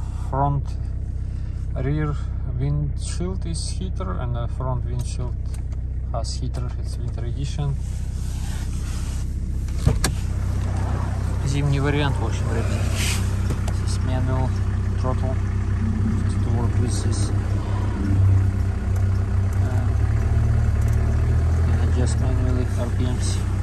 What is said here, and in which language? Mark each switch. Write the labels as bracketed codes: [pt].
[en] Front rear windshield is heater and the front windshield has heater, it's winter edition. [ru] Зимний вариант, в общем, ребята. [en] This manual throttle just to work with this and adjust manually RPMs.